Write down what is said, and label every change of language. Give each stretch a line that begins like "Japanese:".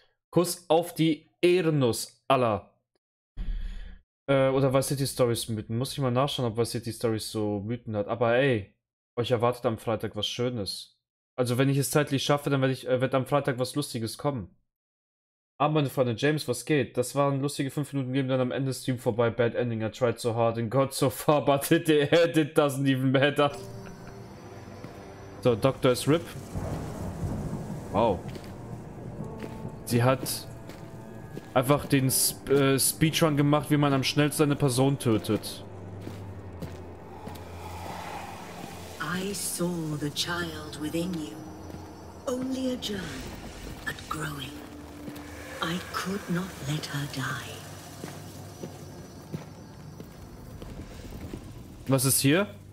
German: Kuss auf die Ehrennuss, Allah. Oder Vice City Stories Mythen. Muss ich mal nachschauen, ob Vice City Stories so Mythen hat. Aber ey, euch erwartet am Freitag was Schönes. Also wenn ich es zeitlich schaffe, dann wird am Freitag was Lustiges kommen. Aber meine Freunde, James, was geht? Das waren lustige 5 Minuten Game, dann am Ende Stream vorbei.
English: Bad Ending, I tried so hard and got so far, but it doesn't even matter. So, Doctor is RIP. Wow.
German: Sie hat einfach den Speedrun gemacht, wie man am schnellsten eine Person tötet.
English: I saw the child within you. Only a germ, but growing. I could not let her die.
German: Was ist hier?